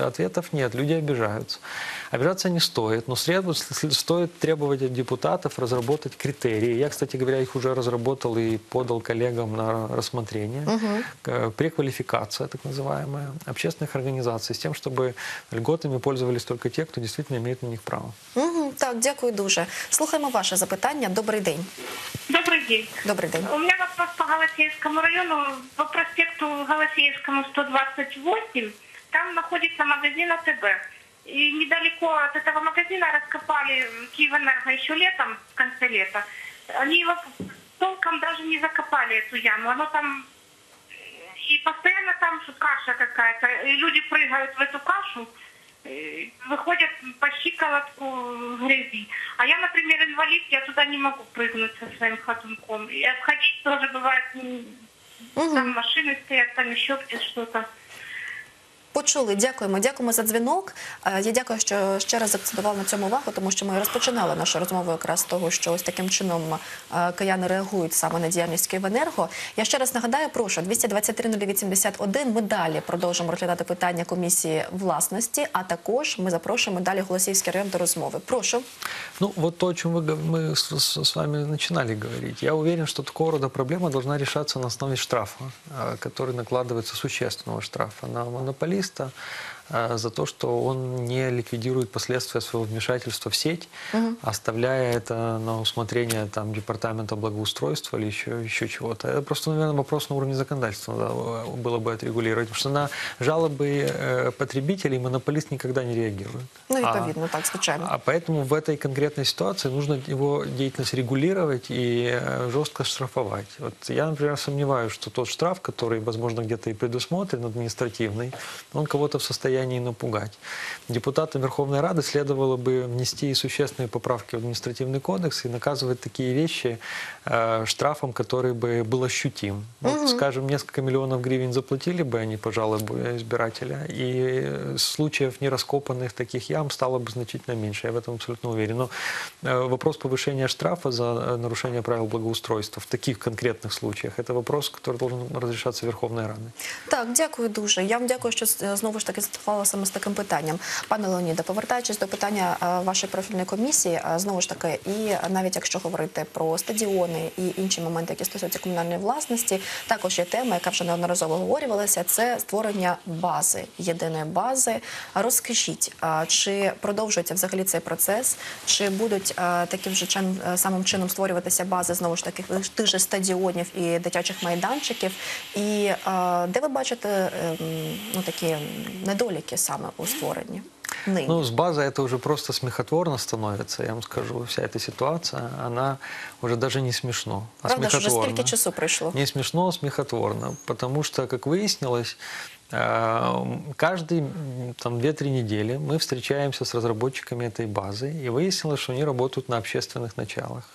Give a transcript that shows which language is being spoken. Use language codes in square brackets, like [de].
[ru] Ответов нет, люди обижаются. Обижаться не стоит, но стоит требовать от депутатов разработать критерии. Я, кстати говоря, их уже разработал и подал коллегам на рассмотрение. Угу. Преквалификация, так называемая, общественных организаций, с тем, чтобы льготами пользовались только те, кто действительно имеет на них право. [uk] Так, дякую дуже. Слухаємо ваше запитання. Добрий день. Добрий день. Добрий день. У мене вопрос по Галасіївському району. По проспекту Галасіївському 128, там знаходиться магазин АТБ. І недалеко від цього магазину розкопали Київенерго ще літом, в кінці літа. Вони його толком навіть не закопали, цю яму. Воно там... І постійно там каша якась. І люди прыгають в цю кашу. [ru] Выходят по щиколотку грязи. А я, например, инвалид, я туда не могу прыгнуть со своим ходунком. И отходить тоже бывает. Там машины стоят, там еще где-то что-то. [uk] Почули, дякуємо. Дякуємо за дзвінок. Я дякую, що ще раз акцентував на цьому увагу, тому що ми розпочинали нашу розмову якраз з того, що ось таким чином кияни реагують саме на діяльність Київенерго. Я ще раз нагадаю, прошу, 223-081, ми далі продовжимо розглядати питання комісії власності, а також ми запрошуємо далі Голосіївський район до розмови. Прошу. Ну, от то, о чому ми з вами починали говорити. [ru] Я уверен, [uk] що такого роду проблема повинна рішатися на основі штрафу, який накладається существенного штрафу на монополію. [ru] Листа за то, что он не ликвидирует последствия своего вмешательства в сеть, оставляя это на усмотрение там, департамента благоустройства или еще чего-то. Это просто, наверное, вопрос на уровне законодательства надо было бы отрегулировать. Потому что на жалобы потребителей монополист никогда не реагирует. Ну, это видно, так, случайно. А поэтому в этой конкретной ситуации нужно его деятельность регулировать и жестко штрафовать. Вот я, например, сомневаюсь, что тот штраф, который, возможно, где-то и предусмотрен, административный, он кого-то в состоянии состоянии напугать. Депутатам Верховной Рады следовало бы внести существенные поправки в административный кодекс и наказывать такие вещи штрафом, который бы был ощутим. Вот, скажем, несколько миллионов гривен заплатили бы они, пожалуй, избирателя, и случаев нераскопанных таких ям стало бы значительно меньше, я в этом абсолютно уверен. Но вопрос повышения штрафа за нарушение правил благоустройства в таких конкретных случаях, это вопрос, который должен разрешаться Верховной Радой. [uk] Так, дякую дуже. Я вам дякую, що знову ж таки зацікавилися саме з таким питанням. Пане Леоніде, повертаючись до питання вашої профільної комісії, знову ж таки, і навіть якщо говорити про стадіони і інші моменти, які стосуються комунальної власності, також є тема, яка вже неодноразово говорювалася, це створення бази, єдиної бази. Розкажіть, чи продовжується взагалі цей процес, чи будуть таким же самим чином створюватися бази, знову ж таки, тих же стадіонів і дитячих майданчиків, і де ви бачите такі недоліки саме у створенні? [ru] Ну, с базой это уже просто смехотворно становится, я вам скажу. Вся эта ситуация, она уже даже не смешно, а правда, смехотворно. Правда, уже сколько часов прошло? Не смешно, а смехотворно. Потому что, как выяснилось, каждые 2-3 недели мы встречаемся с разработчиками этой базы, и выяснилось, что они работают на общественных началах.